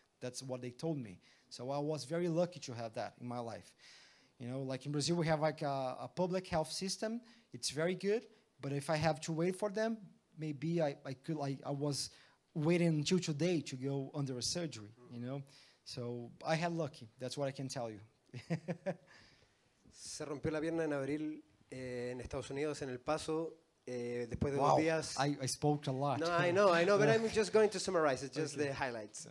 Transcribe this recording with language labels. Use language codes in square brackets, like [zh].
[en] That's what they told me. So I was very lucky to have that in my life. You know, like in Brazil, we have like a public health system. It's very good. But if I have to wait for them, maybe I could, like, I was waiting until today to go under a surgery, you know? So I had lucky. That's what I can tell you. [es] Se rompió la pierna en abril en Estados Unidos, en El Paso, después de 2 días. [en] I spoke a lot. No, I know, but I'm just going to summarize it, just the highlights.